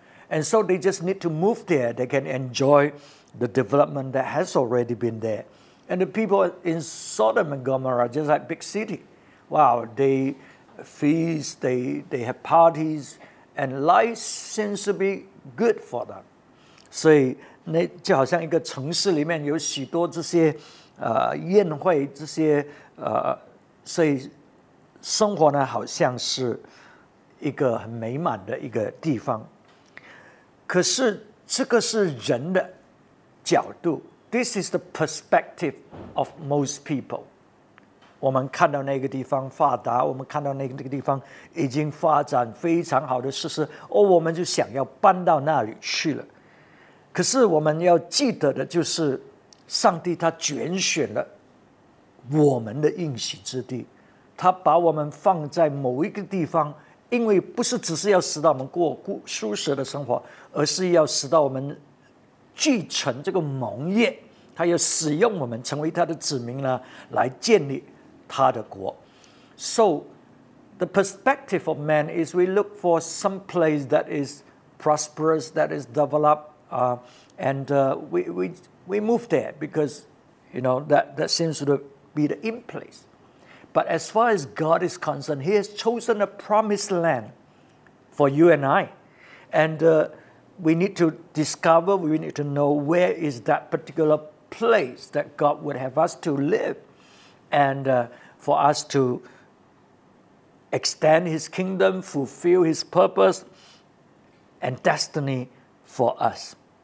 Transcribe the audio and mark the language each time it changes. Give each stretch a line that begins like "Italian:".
English: And so they just need to move there, they can enjoy the development that has already been there. And the people in Sodom and Gomorrah, just like big city, wow, they feast, they have parties, and life seems to be good for them.
Chinese: 所以那就好像一个城市里面有许多这些宴会这些所以生活呢好像是一个很美满的一个地方，可是这个是人的角度，
English: This is the perspective of most people。
Chinese: 我们看到那个地方发达，我们看到那个地方已经发展非常好的事实，我们就想要搬到那里去了。可是我们要记得的就是，上帝他拣选了我们的应许之地，他把我们放在某一个地方，因为不是只是要使到我们过舒适的生活，而是要使到我们继承这个盟业，他要使用我们成为他的子民呢，来建立他的国。
English: So the perspective of man is we look for some place that is prosperous, that is developed, and we move there because you know that seems to be the in place. But as far as God is concerned, He has chosen a promised land for you and I, and we need to discover, we need to know where is that particular place that God would have us to live and for us to extend His kingdom, fulfill His purpose and destiny for us.